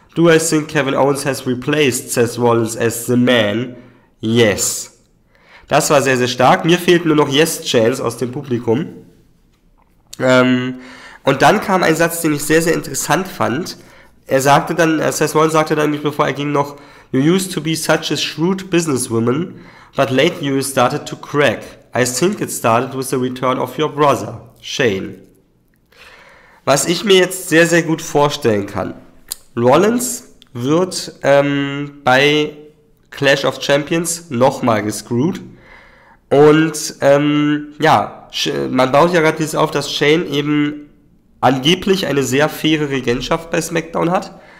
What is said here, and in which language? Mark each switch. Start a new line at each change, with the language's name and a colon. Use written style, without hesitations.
English: Do I think Kevin Owens has replaced Seth Rollins as the man?
German: Yes. Das war sehr, sehr stark. Mir fehlt nur noch Yes-Chance aus dem Publikum. Und dann kam ein Satz, den ich sehr, sehr interessant fand. Seth Rollins sagte dann, bevor er ging, noch
English: You used to be such a shrewd businesswoman, but lately you started to crack. I think it started with the return of your brother, Shane.
German: Was ich mir jetzt sehr, sehr gut vorstellen kann, Rollins wird bei Clash of Champions nochmal gescrewt. Und man baut ja gerade dieses auf, dass Shane eben angeblich eine sehr faire Regentschaft bei SmackDown hat.